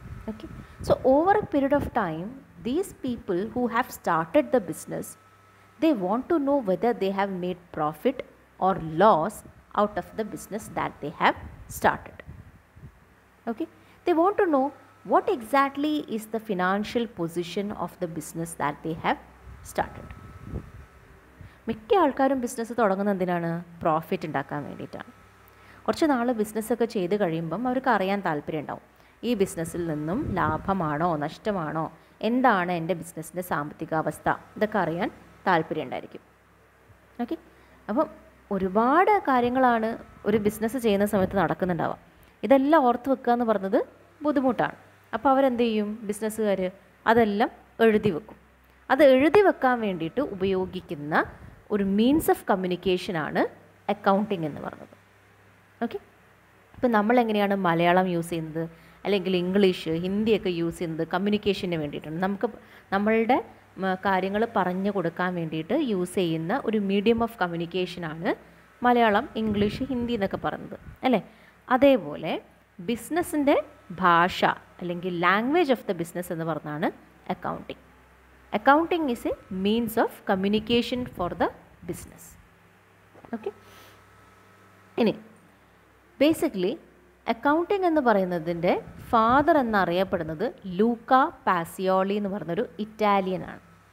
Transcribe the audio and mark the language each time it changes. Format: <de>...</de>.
<en>Okay, so over a period of time, these people who have started the business, they want to know whether they have made profit or loss out of the business that they have started. Okay, they want to know what exactly is the financial position of the business that they have started.</en> <ml>മിക്ക ആൾക്കാരും business തുടങ്ങുന്നത് എന്തിനാണ്? Profit ഉണ്ടാക്കാൻ വേണ്ടിയിട്ടാണ്. കുറച്ച് നാൾ ബിസിനസ്സൊക്കെ ചെയ്ത് കഴിയുമ്പം അവർക്ക് അറിയാൻ താല്പര്യം ഉണ്ടാവും ഈ ബിസിനസ്സിൽ നിന്നും ലാഭമാണോ നഷ്ടമാണോ എന്താണ് എൻ്റെ ബിസിനസ്സിൻ്റെ സാമ്പത്തികാവസ്ഥ ഇതൊക്കെ അറിയാൻ താല്പര്യം ഉണ്ടായിരിക്കും. ഓക്കെ, അപ്പം ഒരുപാട് കാര്യങ്ങളാണ് ഒരു ബിസിനസ് ചെയ്യുന്ന സമയത്ത് നടക്കുന്നുണ്ടാവാം. ഇതെല്ലാം ഓർത്ത് വെക്കുക എന്ന് പറഞ്ഞത് ബുദ്ധിമുട്ടാണ്. അപ്പോൾ അവരെന്ത് ചെയ്യും? ബിസിനസ്സുകാർ അതെല്ലാം എഴുതി വെക്കും. അത് എഴുതി വെക്കാൻ വേണ്ടിയിട്ട് ഉപയോഗിക്കുന്ന ഒരു മീൻസ് ഓഫ് കമ്മ്യൂണിക്കേഷനാണ് അക്കൗണ്ടിങ് എന്ന് പറയുന്നത്. ഓക്കെ, ഇപ്പോൾ നമ്മൾ എങ്ങനെയാണ് മലയാളം യൂസ് ചെയ്യുന്നത് അല്ലെങ്കിൽ ഇംഗ്ലീഷ് ഹിന്ദിയൊക്കെ യൂസ് ചെയ്യുന്നത് കമ്മ്യൂണിക്കേഷന് വേണ്ടിയിട്ടാണ്. നമുക്ക് നമ്മളുടെ കാര്യങ്ങൾ പറഞ്ഞു കൊടുക്കാൻ വേണ്ടിയിട്ട് യൂസ് ചെയ്യുന്ന ഒരു medium of കമ്മ്യൂണിക്കേഷനാണ് Malayalam English Hindi എന്നൊക്കെ പറയുന്നത് അല്ലേ. അതേപോലെ ബിസിനസ്സിൻ്റെ ഭാഷ അല്ലെങ്കിൽ ലാംഗ്വേജ് ഓഫ് ദ ബിസിനസ് എന്ന് പറഞ്ഞാണ് accounting.</ml> <en>Accounting is a means of communication for the business. Okay?</en> <ml>Anyway, basically, accounting എന്ന് പറയുന്നതിൻ്റെ ഫാദർ എന്നറിയപ്പെടുന്നത് ലൂക്ക പാസിയോളി എന്ന് പറഞ്ഞൊരു ഇറ്റാലിയൻ ആണ്.</ml>